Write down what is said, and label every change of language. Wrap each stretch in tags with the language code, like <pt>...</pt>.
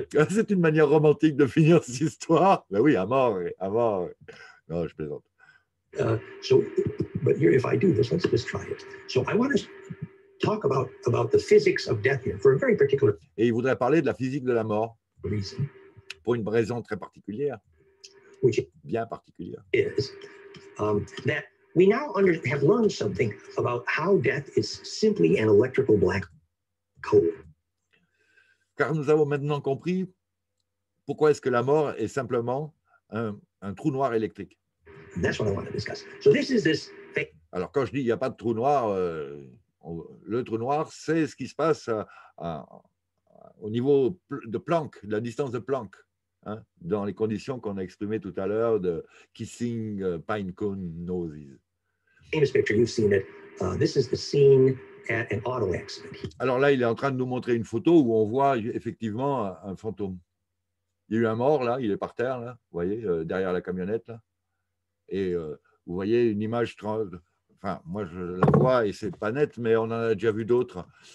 <fr>C'est une manière romantique de finir cette histoire. Ben oui, à mort. Non, je plaisante.</fr> <en>But here, if I do this, let's just try it. So I want to talk about the physics of death here for a very particular.</en> <fr>Et il voudrait parler de la physique de la mort.</fr> <en>Reason.</en> <fr>Pour une raison très particulière.</fr> <en>Which</en> <fr>bien particulière.</fr> <en>Is that we now have learned something about how death is simply an electrical black hole.</en> <fr>Car nous avons maintenant compris pourquoi est-ce que la mort est simplement un trou noir électrique.</fr> <en>That's what I want to discuss. So this is this thing.</en> <fr>Alors quand je dis il n'y a pas de trou noir, le trou noir, c'est ce qui se passe au niveau de Planck, de la distance de Planck, hein, dans les conditions qu'on a exprimées tout à l'heure de</fr> <en>kissing pine cone noses.</en> <fr>Famous picture, you've seen it. This is the scene at an auto accident. Alors là, il est en train de nous montrer une photo où on voit effectivement un fantôme. Il y a eu un mort là, il est par terre là, vous voyez, derrière la camionnette là. Et vous voyez une image, enfin moi je la vois et c'est pas net, mais on en a déjà vu d'autres.</fr>